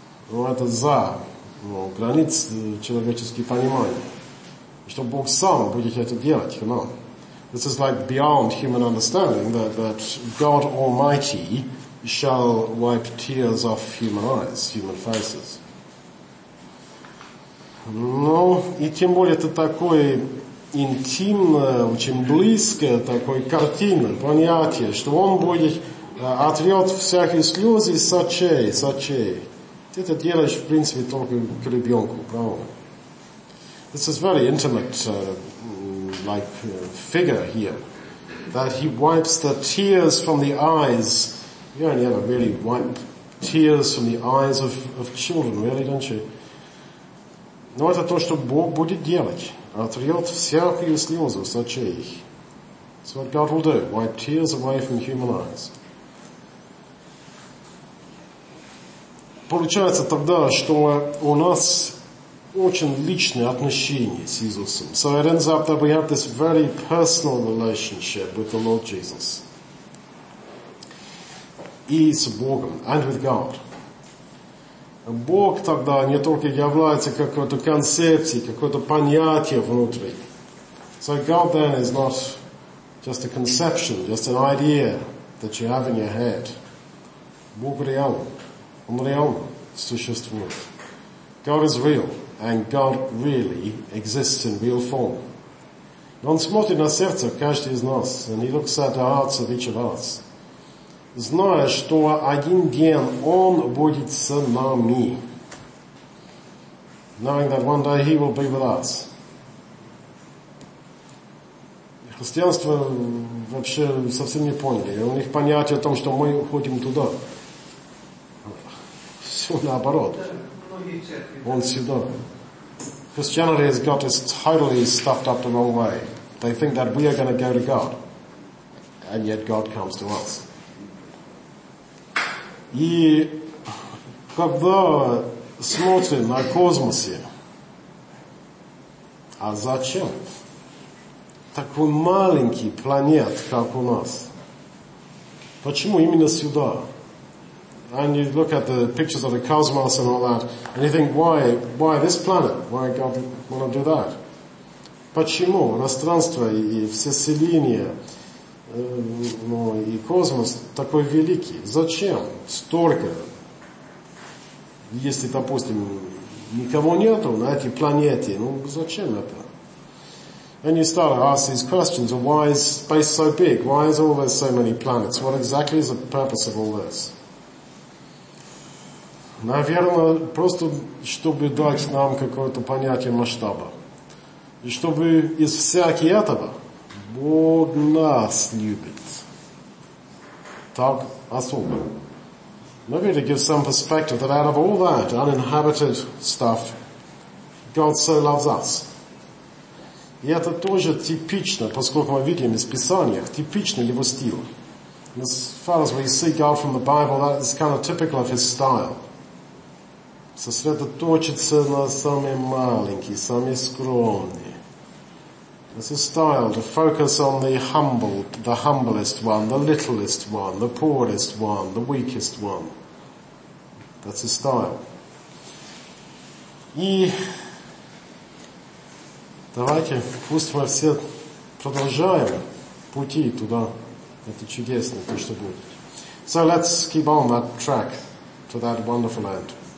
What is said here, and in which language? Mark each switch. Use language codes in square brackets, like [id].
[ru] Ну, это за границ человеческого понимания. Что Бог сам будет это делать, [en] you know. This is like beyond human understanding, that God Almighty shall wipe tears off human eyes, human faces. [ru] Ну, и тем более это такое интимное, очень близкое такое картина, понятие, что он будет отрет всякие слезы с очей, с очей. Ты это делаешь, в принципе, только к ребенку, правда? [en] This is very intimate, figure here, that he wipes the tears from the eyes. You only ever really wipe tears from the eyes of children, really, don't you? [ru] Но это то, что Бог будет делать. Отрет всякие слезы с очей. [en] That's what God will do. Wipe tears away from human eyes. [ru] Получается тогда, что у нас очень личные отношения с Иисусом. [en] So it ends up that we have this very personal relationship with the Lord Jesus. [ru] И с Богом, [en] and with God. [ru] Бог тогда не только является какой-то концепцией, какое-то понятие внутри. [en] So God then is not just a conception, just an idea that you have in your head. [ru] Бог реал. Он реал существует. [en] God is real, and God really exists in real form. [ru] Он смотрит на сердце каждый из нас, [en] and he looks at the hearts of each of us. [ru] Зная, что один день он будет с нами. [en] Knowing that one day he will be with us. [ru] Христианство вообще совсем не поняли. У них понятие о том, что мы уходим туда. Все наоборот. Он сюда. [en] Christianity has got this totally stuffed up the wrong way. They think that we are going to go to God. And yet God comes to us. [ru] И когда смотрим на космосе, а зачем такой маленький планет, как у нас? Почему именно сюда? [en] And you look at the pictures of the cosmos and all that, and you think, why this planet? Why God want to do that? [ru] Почему пространство и вселенная? Но и космос такой великий. Зачем столько? Если, допустим, никого нету на этой планете, ну зачем это? [en] And you start to ask these questions. Why is space so big? Why is all there so many planets? What exactly is the purpose of all this? [ru] Наверное, просто чтобы дать нам какое-то понятие масштаба. И чтобы из всяких этого Бог нас любит. Так особо. [en] Maybe to give some perspective that out of all that uninhabited stuff, God so loves us. [ru] И это тоже типично, поскольку мы видим из Писания, типичный его стиль. [en] And as far as we see God from the Bible, that is kind of typical of his style. [ru] Сосредоточиться на самые маленькие, самые скромные. [en] It's a style to focus on the humble, the humblest one, the littlest one, the poorest one, the weakest one. That's a style. [ru] И давайте, пусть мы все продолжаем пути туда. Это чудесно, то, что будет. [en] So let's keep on that track to that wonderful end.